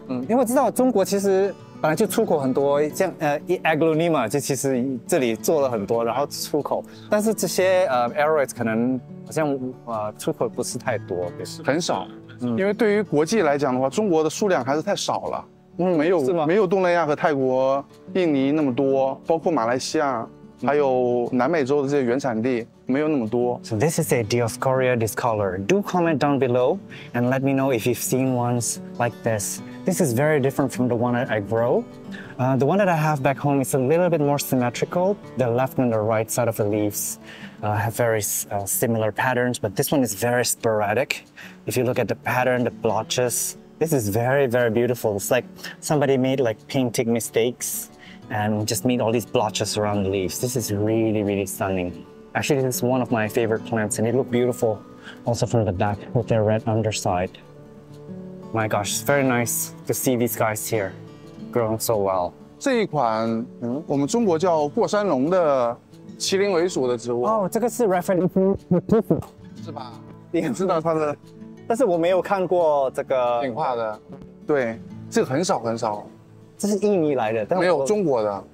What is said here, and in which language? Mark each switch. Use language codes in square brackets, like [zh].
[zh] 因为我知道中国其实本来就出口很多，像aglaonema 就其实这里做了很多，然后出口，但是这些aroid 可能好像出口不是太多，很少，因为对于国际来讲的话，中国的数量还是太少了，没有东南亚和泰国、印尼那么多，包括马来西亚，还有南美洲的这些原产地没有那么多。 [en] So this is a Dioscorea discolor. Do comment down below and let me know if you've seen ones like this. This is very different from the one that I grow. The one that I have back home is a little bit more symmetrical. The left and the right side of the leaves have very similar patterns, but this one is very sporadic. If you look at the pattern, the blotches, this is very, very beautiful. It's like somebody made like painting mistakes and just made all these blotches around the leaves. This is really, really stunning. Actually, this is one of my favorite plants and it looks beautiful also from the back with their red underside. my gosh, it's very nice to see these guys here growing so well. [zh] 这一款，我们中国叫过山龙的麒麟尾属的植物。哦、oh, ，这个是 reference，是吧？你也知道它的，但是我没有看过这个进化的。对，这个很少很少。这是印尼来的，但没有中国的。